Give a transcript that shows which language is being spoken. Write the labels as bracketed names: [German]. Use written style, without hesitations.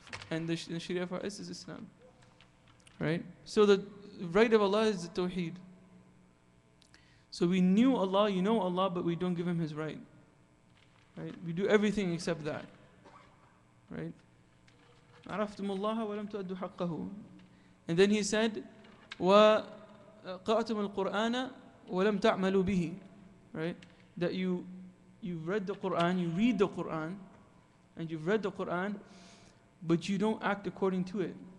[English] And the Sharia for us is Islam. Right? So the right of Allah is the Tawheed. So we knew Allah, you know Allah, but we don't give Him His right. Right? We do everything except that. Right? [Arabic] عَرَفْتُمُ اللَّهَ وَلَمْ تُؤَدُّ حَقَّهُ. [English] And then he said, [Arabic] وَقَرَأْتُمُ الْقُرْآنَ وَلَمْ تَعْمَلُوا بِهِ. [English] Right? That you've read the Qur'an, you read the Qur'an, and you've read the Qur'an, but you don't act according to it.